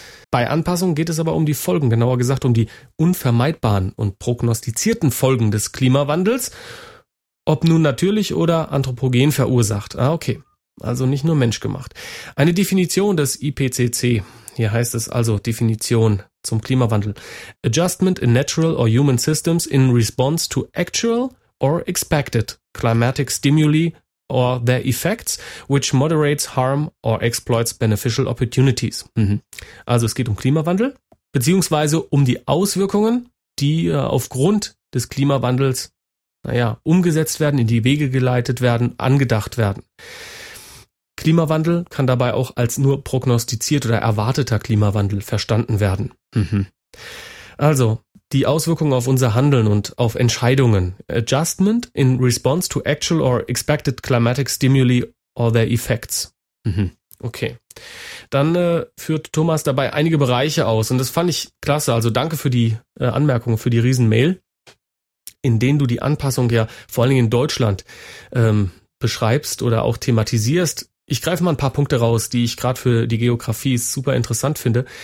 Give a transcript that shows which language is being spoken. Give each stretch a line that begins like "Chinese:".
German: Bei Anpassung geht es aber um die Folgen, genauer gesagt um die unvermeidbaren und prognostizierten Folgen des Klimawandels. Ob nun natürlich oder anthropogen verursacht. Ah, okay. Also nicht nur menschgemacht. Eine Definition des IPCC. Hier heißt es also Definition zum Klimawandel.
English: Adjustment in natural or human systems in response to actual or expected climatic stimuli or their effects, which moderates harm or exploits beneficial opportunities.
German: Also es geht um Klimawandel, beziehungsweise um die Auswirkungen, die aufgrund des Klimawandels umgesetzt werden, in die Wege geleitet werden, angedacht werden. Klimawandel kann dabei auch als nur prognostiziert oder erwarteter Klimawandel verstanden werden. Also, die Auswirkungen auf unser Handeln und auf Entscheidungen.
English: Adjustment in response to actual or expected climatic stimuli or their effects. Okay.
German: dann führt Thomas dabei einige Bereiche aus. Und das fand ich klasse. Also danke für die Anmerkung, für die Riesenmail, in denen du die Anpassung ja vor allen Dingen in Deutschland beschreibst oder auch thematisierst. Ich greife mal ein paar Punkte raus, die ich gerade für die Geografie super interessant finde.